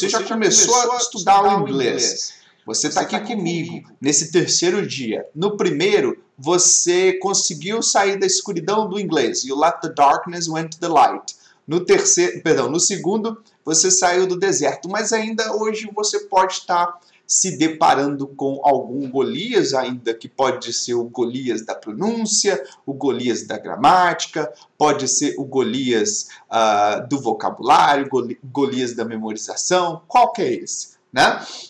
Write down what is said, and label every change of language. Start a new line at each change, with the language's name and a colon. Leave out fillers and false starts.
Portuguese: Ou às vezes, você já começou a estudar o inglês. Você está aqui comigo nesse terceiro dia. No primeiro, você conseguiu sair da escuridão do inglês.
English: You let the darkness went to the light.
Portuguese: No segundo, você saiu do deserto, mas ainda hoje você pode estar se deparando com algum Golias ainda, que pode ser o Golias da pronúncia, o Golias da gramática, pode ser o Golias do vocabulário, Golias da memorização, qual que é esse, né?